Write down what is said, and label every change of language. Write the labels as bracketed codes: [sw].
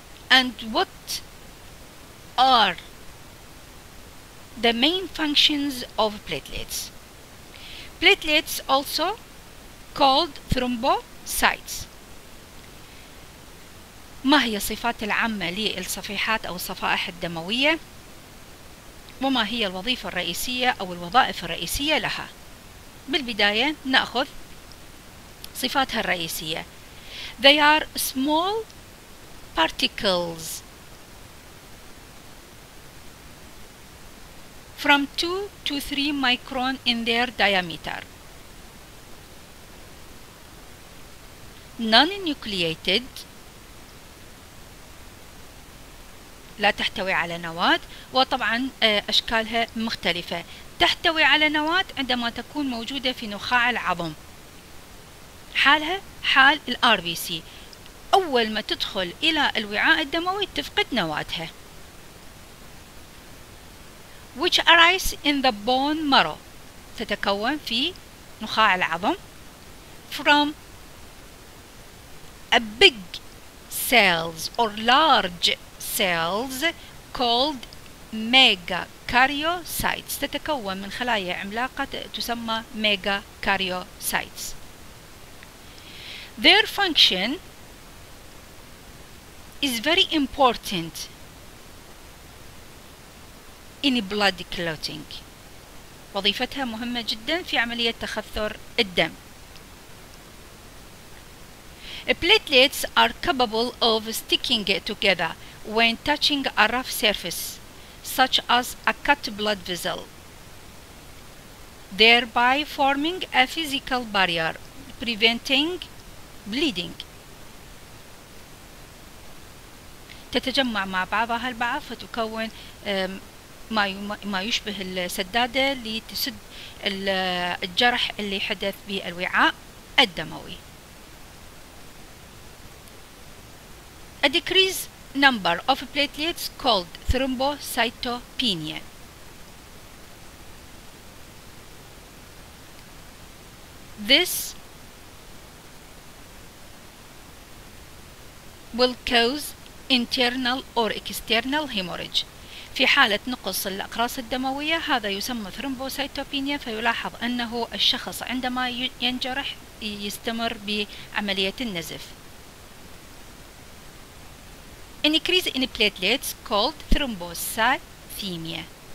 [en] And what are the main functions of platelets? Platelets also called thrombocytes. [ar] ما هي الصفات العامة للصفيحات أو الصفائح الدموية؟ وما هي الوظيفة الرئيسية أو الوظائف الرئيسية لها؟ بالبداية نأخذ صفاتها الرئيسية. [en] They are small particles from 2 to 3 micron in their diameter. Non-nucleated, [ar] لا تحتوي على نواة، وطبعا أشكالها مختلفة. تحتوي على نواة عندما تكون موجودة في نخاع العظم، حالها حال الRBC، أول ما تدخل إلى الوعاء الدموي تفقد نواتها. [en] Which arise in the bone marrow، [ar] تتكون في نخاع العظم. [en] From a big cells or large cells called megakaryocytes، [ar] تتكون من خلايا عملاقة تسمى megakaryocytes. [en] Their function is very important in blood clotting، [ar] وظيفتها مهمة جدا في عملية تخثر الدم. [en] Platelets are capable of sticking together when touching a rough surface such as a cut blood vessel, thereby forming a physical barrier preventing bleeding. [ar] تتجمع مع بعضها البعض فتكون ما يشبه السدادة لتسد الجرح اللي حدث بالوعاء الدموي. [en] A decreased number of platelets called thrombocytopenia. This will cause internal or external hemorrhage. [ar] في حالة نقص الأقراص الدموية هذا يسمى thrombocytopenia، فيلاحظ أنه الشخص عندما ينجرح يستمر بعملية النزف. [en] Increase in platelets called thrombocythemia.